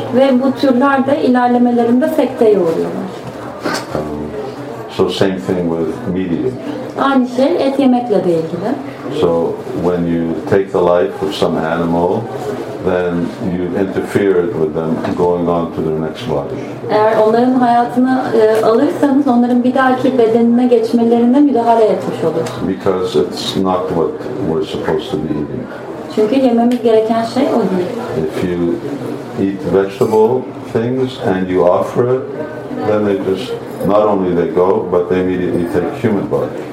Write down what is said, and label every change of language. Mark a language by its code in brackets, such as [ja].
[tr] Ve bu türler de ilerlemelerinde sekteye uğruyorlar. [en] So same thing with meat eating. [tr] Aynı şey et yemekle de ilgili. [en] So when you take the life of some animal, then you interfere with them going on to their next body. [tr] Eğer onların hayatını alırsanız, onların bir dahaki bedenine geçmelerine müdahale etmiş olur. [en] Because it's not what we're supposed to be eating. [tr] Çünkü yememiz gereken şey o değil. [en] If you eat vegetable things and you offer it, then they just not only they go, but they immediately take human body.